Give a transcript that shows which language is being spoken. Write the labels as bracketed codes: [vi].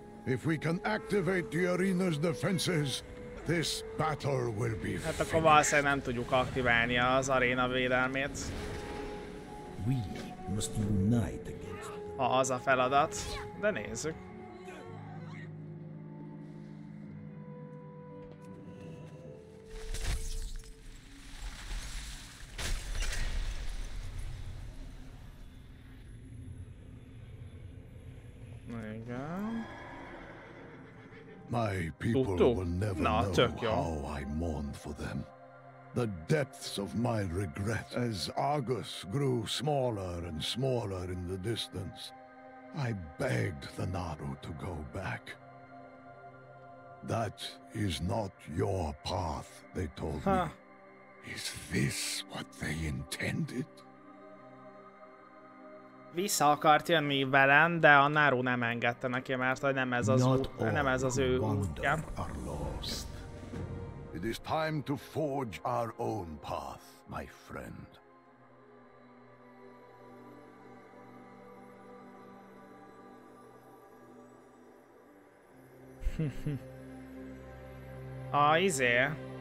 [en] If we can activate the arena's defenses, this battle will be finished. [hu] Hát akkor valószínűleg nem tudjuk aktiválni az aréna védelmét. [en] We must unite against. [hu] Ha az a feladat, de nézzük. [en] My people will never know how I mourned for them. The depths of my regret. As Argus grew smaller and smaller in the distance, I begged the Naru to go back. That is not your path, they told me. Is this what they intended? [hu] Vissza akart jönni velem, de a Naru nem engedte neki, mert nem ez az [en] It is time to forge our own path, my friend.